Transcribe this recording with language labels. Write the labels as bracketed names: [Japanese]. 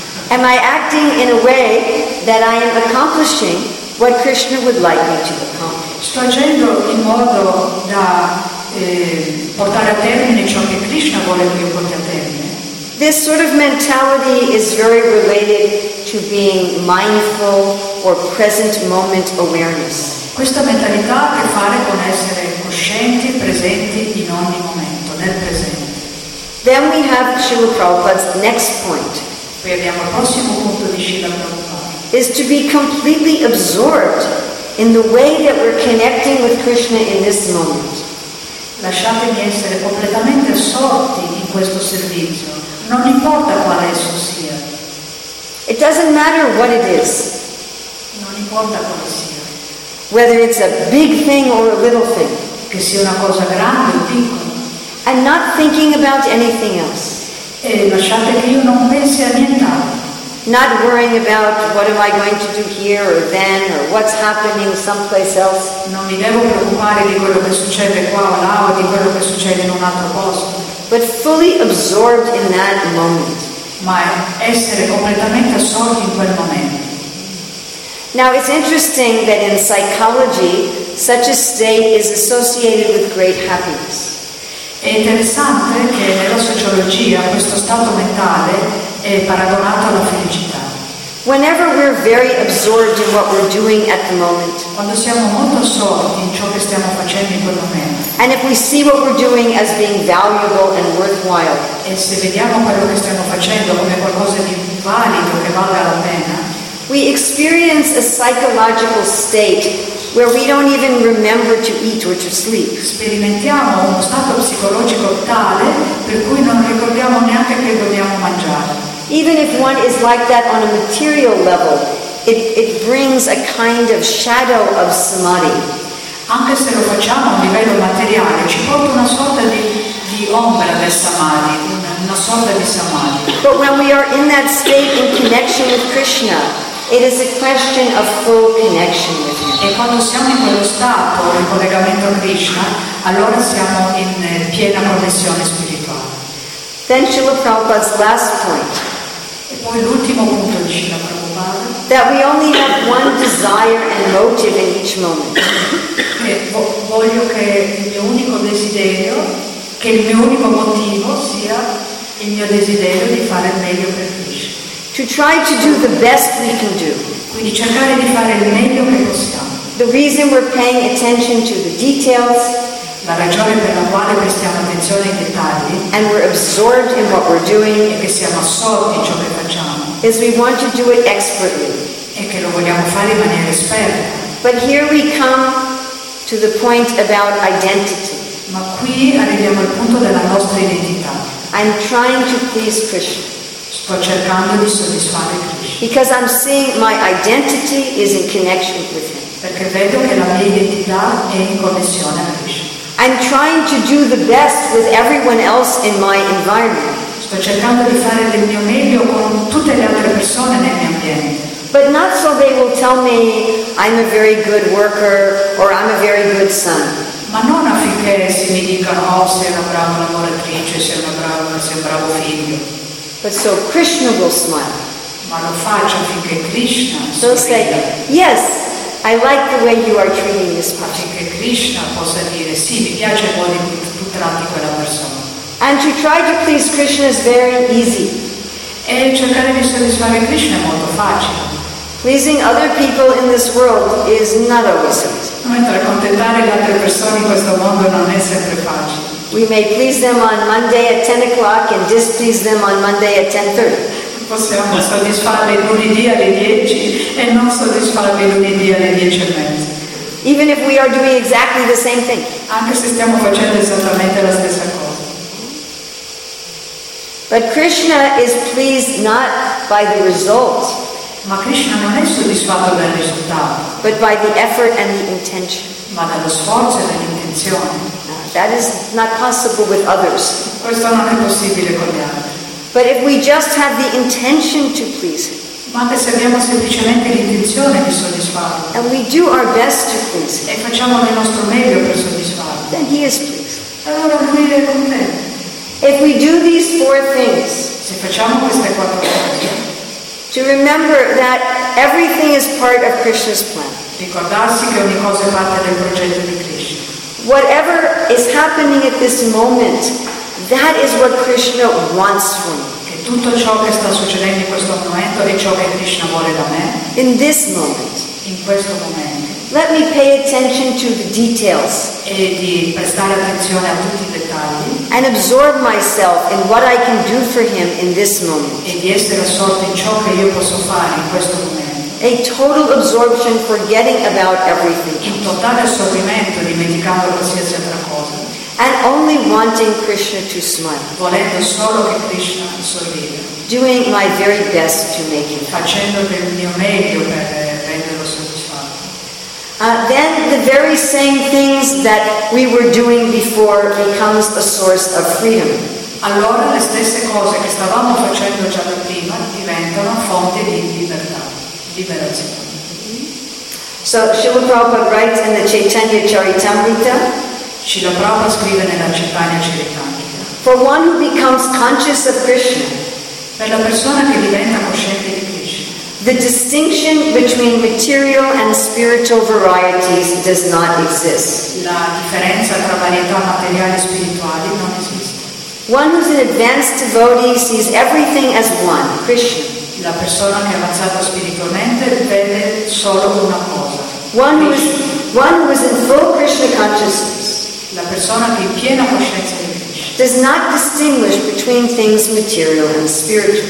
[English] Am I acting in a way that I am accomplishing what Krishna would like me to accomplish? [Italian] Sto agendo in modo da portare a termine ciò che Krishna vuole che io porti a termine. [English] This sort of mentality is very related to being mindful or present moment awareness. [Italian] Questa mentalità ha a che fare con essere coscienti, presenti in ogni momento, nel presente. [English] Then we have Srila Prabhupada's next point. [Italian] Qui abbiamo il prossimo punto di Srila Prabhupada. [English] Is to be completely absorbed in the way that we're connecting with Krishna in this moment. [Italian] Lasciatemi essere completamente assorti in questo servizio, non importa quale esso sia. [English] It doesn't matter what it is. [Italian] Non importa quale sia. [English] Whether it's a big thing or a little thing. [Italian] Che sia una cosa grande o piccola. [English] And not thinking about anything else. [Italian] E lasciate che io non pensi a nient'altro. [English] Not worrying about what am I going to do here or then or what's happening someplace else. [Italian] Non mi devo preoccupare di quello che succede qua o là o di quello che succede in un altro posto. [English] But fully absorbed in that moment. [Italian] Ma essere completamente assorti in quel momento. [English] Now it's interesting that in psychology such a state is associated with great happiness. [Italian] È interessante che nella sociologia questo stato mentale è paragonato alla felicità. [English] Whenever we're very absorbed in what we're doing at the moment, [Italian] quando siamo molto assorti in ciò che stiamo facendo in quel momento, [English] and if we see what we're doing as being valuable and worthwhile, [Italian] e se vediamo quello che stiamo facendo come qualcosa di valido che valga la pena, [English] we experience a psychological state where we don't even remember to eat or to sleep. [Italian] Sperimentiamo uno stato psicologico tale per cui non ricordiamo neanche che dobbiamo mangiare. [English] Even if one is like that on a material level, it brings a kind of shadow of samadhi. [Italian] Anche se lo facciamo a livello materiale, ci porta una sorta di ombra del samadhi, una sorta di samadhi. [English] But when we are in that state in connection with Krishna, it is a question of full connection with Him. [Italian] E quando siamo in quello stato, in collegamento a Krishna, allora siamo in piena connessione spirituale. [English] Then Srila Prabhupada's last point. [Italian] E poi l'ultimo punto di Srila Prabhupada. [English] That we only have one desire and motive in each moment. [Italian] E voglio che il mio unico desiderio, che il mio unico motivo sia il mio desiderio di fare il meglio per Krishna. [English] To try to do the best we can do. [Italian] Quindi cercare di fare il meglio che possiamo. [English] The reason we're paying attention to the details. [Italian] La ragione per la quale prestiamo attenzione ai dettagli. [English] And we're absorbed in what we're doing. [Italian] E che siamo assorti in ciò che facciamo. [English] Is we want to do it expertly. [Italian] E che lo vogliamo fare in maniera esperta. [English] But here we come to the point about identity. [Italian] Ma qui arriviamo al punto della nostra identità. [English] I'm trying to please Krishna. [Italian] Sto cercando di soddisfare Krishna. [English] Because I'm seeing my identity is in connection with Him. [Italian] Perché vedo che la mia identità è in connessione a Krishna. [English] I'm trying to do the best with everyone else in my environment. [Italian] Sto cercando di fare del mio meglio con tutte le altre persone nel mio ambiente. [English] But not so they will tell me I'm a very good worker or I'm a very good son. [Italian] Ma non affinché si mi dicano oh, sei una brava lavoratrice, sei un bravo figlio. [English] But so Krishna will smile. [Italian] Ma lo faccio finché Krishna [English] so say, yes, I like the way you are treating this person. [Italian] Finché Krishna possa dire, sì, mi piace il modo in cui tu tratti quella persona. [English] And to try to please Krishna is very easy. [Italian] E cercare di soddisfare Krishna è molto facile. [English] Pleasing other people in this world is not always easy. [Italian] Mentre accontentare le altre persone in questo mondo non è sempre facile. [English] We may please them on Monday at 10 o'clock and displease them on Monday at 10:30. [Italian] possiamo soddisfarli lunedì alle 10 e non soddisfarli lunedì alle 10 e mezza. [English] Even if we are doing exactly the same thing. [Italian] Anche se stiamo facendo esattamente la stessa cosa. [English] But Krishna is pleased not by the result. [Italian] Ma Krishna non è soddisfatto dal risultato. [English] But by the effort and the intention. [Italian] Ma dallo sforzo e dall'intenzione. [English] That is not possible with others. [Italian] Questo non è possibile con gli altri. [English] But if we just have the intention to please Him. [Italian] Ma anche se abbiamo semplicemente l'intenzione di soddisfarlo. [English] And we do our best to please Him. [Italian] E facciamo il nostro meglio per soddisfarlo. [English] Then He is pleased. [Italian] Allora Lui è contento. [English] If we do these four things. [Italian] Se facciamo queste quattro cose. [English] To remember that everything is part of Krishna's plan. [Italian] Ricordarsi che ogni cosa è parte del progetto di Krishna. [English] Whatever is happening at this moment, that is what Krishna wants from me. [Italian] Che tutto ciò che sta succedendo in questo momento è ciò che Krishna vuole da me. [English] In this moment. [Italian] In questo momento. [English] Let me pay attention to the details. [Italian] E di prestare attenzione a tutti I dettagli. [English] And absorb myself in what I can do for Him in this moment. [Italian] E di essere assorto in ciò che io posso fare in questo momento. [English] A total absorption, forgetting about everything. [Italian] In totale assorbimento, dimenticando qualsiasi altra cosa. [English] And only wanting Krishna to smile. [Italian] Volendo solo che Krishna sorrida. [English] Doing my very best to make Him. [Italian] Facendo del mio meglio per renderlo soddisfatto. [English] Then the very same things that we were doing before becomes a source of freedom. [Italian] Allora le stesse cose che stavamo facendo già da prima diventano fonte di libertà, liberazione. [English] So Srila Prabhupada writes in the Chaitanya Charitamrita. [Italian] Srila Prabhupada scrive nella Chaitanya Charitamrita. [English] For one who becomes conscious of Krishna. [Italian] Per la persona che diventa cosciente di [English] The distinction between material and spiritual varieties does not exist. [Italian] La differenza tra varietà materiali e spirituali non esiste. [English] One who is an advanced devotee sees everything as one, Krishna. [Italian] La persona che è avanzata spiritualmente vede solo una cosa. [English] One who is in full Krishna consciousness. [Italian] La persona che è in piena coscienza di Krishna. [English] Does not distinguish between things material and spiritual.